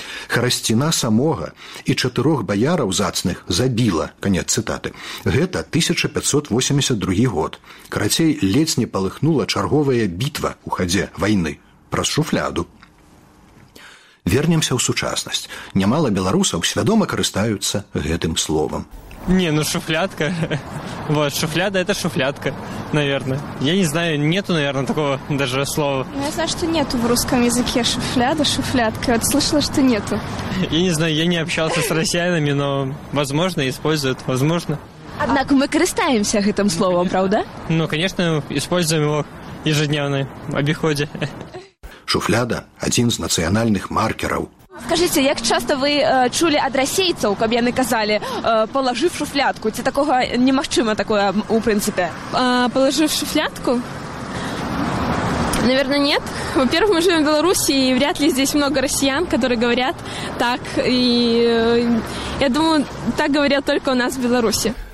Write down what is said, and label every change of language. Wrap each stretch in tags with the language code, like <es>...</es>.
<be>Харасціна самога і 4 баяраў зацных забіла, канец цытаты. Гэта 1582 год. Карацей, ледзь не палыхнула чарговая бітва ў хадзе вайны праз шуфляду. Вернемся ў сучаснасць. Немало беларусаў свядома карыстаюцца гэтым словам.</be> <ru>Не, ну шуфлядка. Вот, шуфляда – это шуфлядка, наверное. Я не знаю, нету, наверное, такого даже слова. Ну, я знаю, что нету в русском языке шуфляда, шуфлядка. Вот слышала, что нету. Я не знаю, я не общался с россиянами, но, возможно, используют, возможно.</ru> <be>Однако мы карыстаемся гэтым словом, правда?</be> <ru>Ну, конечно, используем его ежедневно, в обиходе.</ru> <be>Шуфляда – один з нацыянальных маркераў. Скажыце, як часта вы чулі ад расейцаў, каб яны казалі, палажыў шуфлядку? Ці такога немагчыма такое, у прынцыпе? Палажыў шуфлядку?</be> <ru>Наверное, нет. Во-первых, мы живем в Беларуси, и вряд ли здесь много россиян, которые говорят так. И я думаю, так говорят только у нас в Беларуси.</ru>